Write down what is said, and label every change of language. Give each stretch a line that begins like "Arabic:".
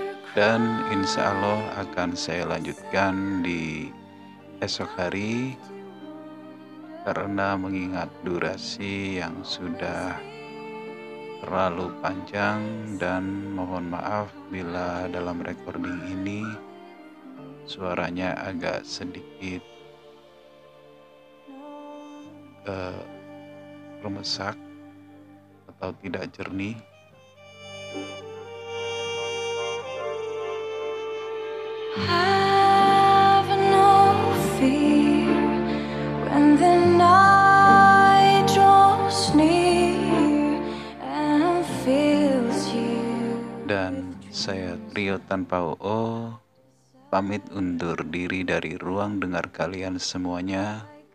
Indonesian: Dan insya Allah akan saya lanjutkan di esok hari, karena mengingat durasi yang sudah terlalu panjang dan mohon maaf bila dalam recording ini suaranya agak sedikit rumesak atau tidak jernih.
English: Have no fear when the night draws near and fills you.
Indonesian: Dan saya Rio Tanpa OO pamit undur diri dari ruang dengar kalian semuanya.